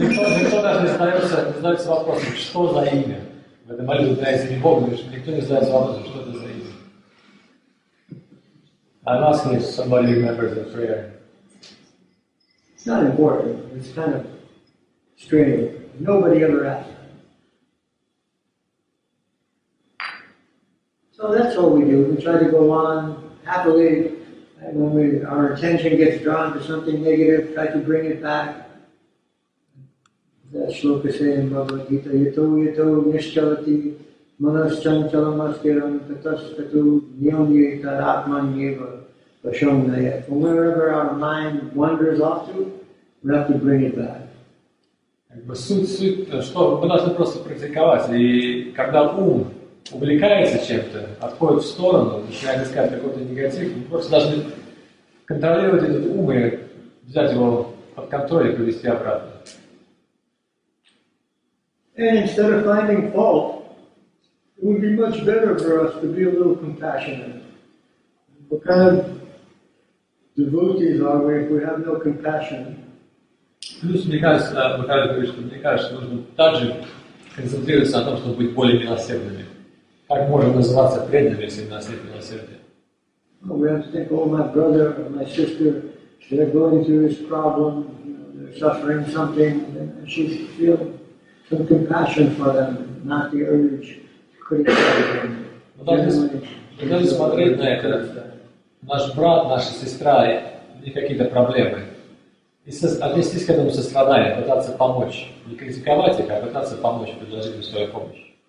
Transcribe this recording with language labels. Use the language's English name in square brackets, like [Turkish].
[Russian] Но никто даже не задается вопросом, что за имя? В этой молитве для этих богов, никто не задается вопросом, что это за имя? [English] I'm asking if somebody remembers the prayer. It's not important. It's kind of strange. Nobody ever asked. So that's what we do. We try to go on happily. And when our attention gets drawn to something negative, try to bring it back. That shloka says in Bhagavad Gita, [Sanskrit] yato yato nishchalati. Manas chanchala maskeram tatas tatu niyamyeta atman yeva vashamnaya. [English] From wherever our mind wanders off to, we have to bring it back. [Russian] Суть, что мы должны просто практиковать. И когда ум увлекается чем-то, отходит в сторону, начинает искать какой-то негатив, мы просто должны контролировать этот ум и взять его под контроль и привести обратно. [English] And instead of finding fault, it would be much better for us to be a little compassionate. What kind of devotees are we if we have no compassion? [Russian] Плюс мне кажется, Махарадж говорит, что мне кажется, нужно также концентрироваться на том, чтобы быть более милосердными. Как можно называться преданным, если у нас нет милосердия? [English] Well, we have to think, oh, my brother or my sister, they're going through this problem, they're suffering something, and she should feel some compassion for them, not the urge to criticize them. [Russian] Мы должны смотреть на это, наш брат, наша сестра, у них какие-то проблемы. И отнестись к этому состраданию, пытаться помочь. Не критиковать их, а пытаться помочь, предложить им свою помощь.